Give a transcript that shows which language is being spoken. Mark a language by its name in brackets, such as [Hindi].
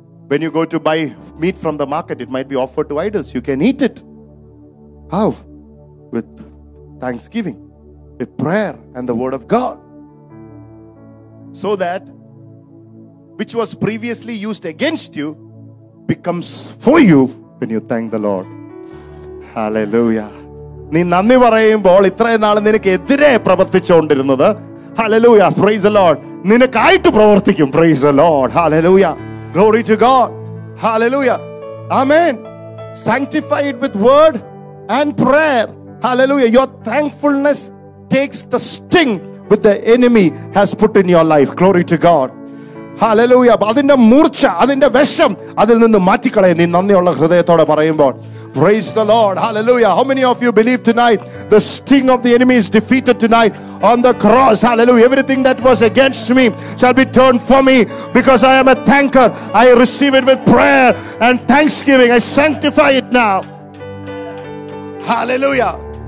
[English] When you go to buy meat from the market, it might be offered to idols, you can eat it. How? With thanksgiving, with prayer and the word of God. So that which was previously used against you becomes for you when you thank the Lord. Hallelujah. [Malayalam] നീ നന്ദി പറയുമ്പോൾ ഇത്രയും നാൾ നിനക്ക് എതിരെ പ്രവർത്തിച്ചുകൊണ്ടിരുന്നത്, [English] Hallelujah, praise the Lord, [Malayalam] നിനക്കായിട്ട് പ്രവർത്തിക്കും. [English] Praise the Lord. Hallelujah. Glory to God. Hallelujah. Amen. Sanctified with word and prayer. Hallelujah. Your thankfulness takes the sting with the enemy has put in your life. Glory to God. Hallelujah. [Malayalam] അതിന്റെ മൂർച്ച, അതിന്റെ വിഷം അതിൽ നിന്ന് മാറ്റിക്കളയ നീ നന്ദിയുള്ള ഹൃദയത്തോടെ പറയുമ്പോൾ. [English] Praise the Lord. Hallelujah. How many of you believe tonight the sting of the enemy is defeated tonight on the cross? Hallelujah. Everything that was against me shall be turned for me because I am a thanker. I receive it with prayer and thanksgiving. I sanctify it now. Hallelujah.